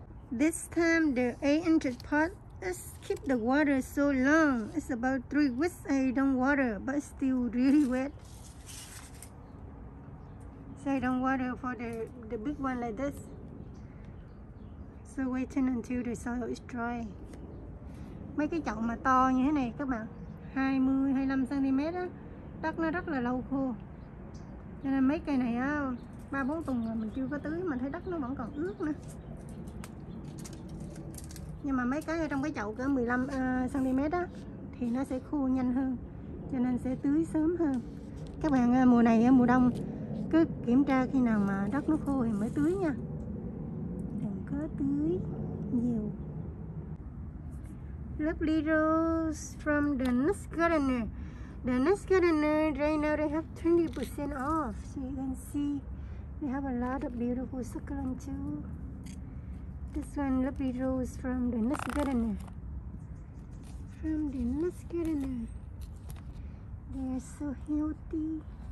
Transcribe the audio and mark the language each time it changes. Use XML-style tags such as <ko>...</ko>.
<en>This time the 8-inch pot is keep the water so long. It's about 3 weeks I don't water, but it's still really wet. So I don't water for the big one like this. So waiting until the soil is dry.</en> <vi>Mấy cái chậu mà to như thế này các bạn, 20-25cm á, đất nó rất là lâu khô. Cho nên mấy cây này á, 3-4 tuần rồi mình chưa có tưới mà thấy đất nó vẫn còn ướt nữa. Nhưng mà mấy cái ở trong cái chậu cỡ 15cm á thì nó sẽ khô nhanh hơn, cho nên sẽ tưới sớm hơn. Các bạn mùa này mùa đông cứ kiểm tra khi nào mà đất nó khô thì mới tưới nha, đừng có tưới nhiều.</vi> <en>Lovely rose from the next gardener. The next gardener right now they have 20% off. So you can see they have a lot of beautiful succulent too. This one lovely rose from the next gardener. From the next gardener. They are so healthy.</en>